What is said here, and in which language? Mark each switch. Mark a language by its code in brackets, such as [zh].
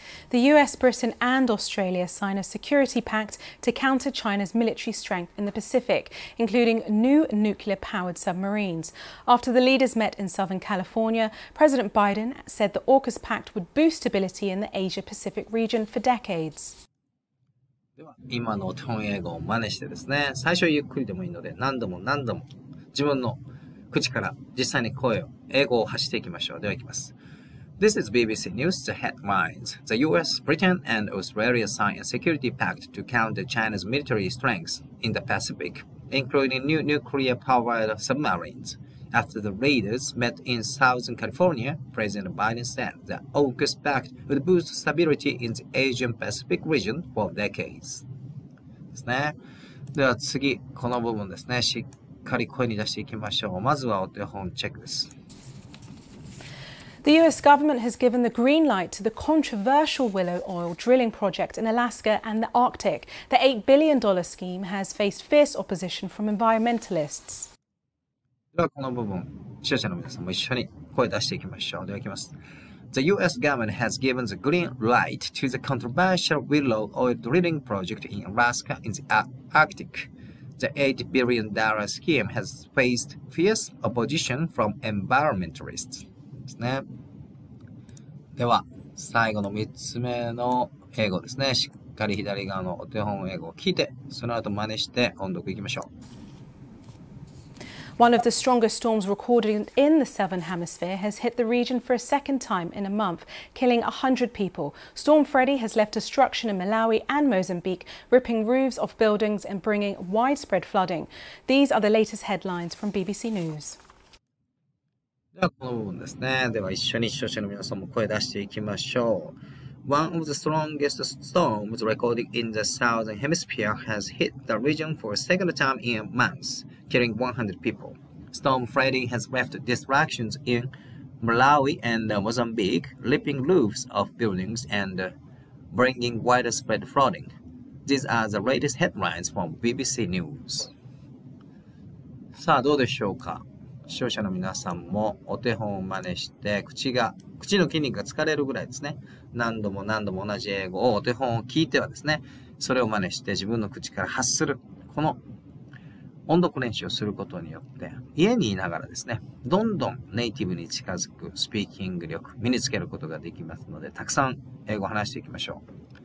[en] The US, Britain and Australia sign a security pact to counter China's military strength in the Pacific, including new nuclear-powered submarines. After the leaders met in Southern California, President Biden said the AUKUS pact would boost stability in the Asia-Pacific region for decades. [ja] では、今の日本英語を真似してですね、最初はゆっくりでもいいので、何度も何度も自分の口から実際に声を英語を発していきましょう。では行きます。 [en] This is BBC News, the headlines. The US, Britain and Australia signed a security pact to counter China's military strengths in the Pacific, including new nuclear-powered submarines. After the leaders met in Southern California, President Biden said the AUKUS pact would boost stability in the Asian-Pacific region for decades. [ja] ですね。では次、この部分ですね。しっかり声に出していきましょう。まずはお手本チェックです。 [en] The US government has given the green light to the controversial Willow Oil drilling project in Alaska and the Arctic. The $8 billion scheme has faced fierce opposition from environmentalists. [ja] ではこの部分、視聴者の皆さんも一緒に声出していきましょう。ではいきます。 [en] The US government has given the green light to the controversial Willow Oil drilling project in Alaska in the Arctic. The $8 billion scheme has faced fierce opposition from environmentalists. [ja] ですね、では最後の3つ目の英語ですね、しっかり左側のお手本英語を聞いて、その後真似して音読いきましょう。 [en] One of the strongest storms recorded in the Southern Hemisphere has hit the region for a second time in a month, killing 100 people. Storm Freddy has left destruction in Malawi and Mozambique, ripping roofs off buildings and bringing widespread flooding. These are the latest headlines from BBC News. [ja] ではこの部分ですね。では一緒に視聴者の皆さんも声出していきましょう。 [en] One of the strongest storms recorded in the southern hemisphere has hit the region for a second time in a month, killing 100 people. Storm Freddy has left destructions in Malawi and Mozambique, ripping roofs of buildings and bringing widespread flooding. These are the latest headlines from BBC News. [ja] さあ、どうでしょうか。視聴者の皆さんもお手本を真似して、口の筋肉が疲れるぐらいですね。何度も何度も同じ英語をお手本を聞いてはですね、それを真似して自分の口から発する。この音読練習をすることによって、家にいながらですね、どんどんネイティブに近づくスピーキング力、身につけることができますので、たくさん英語を話していきましょう。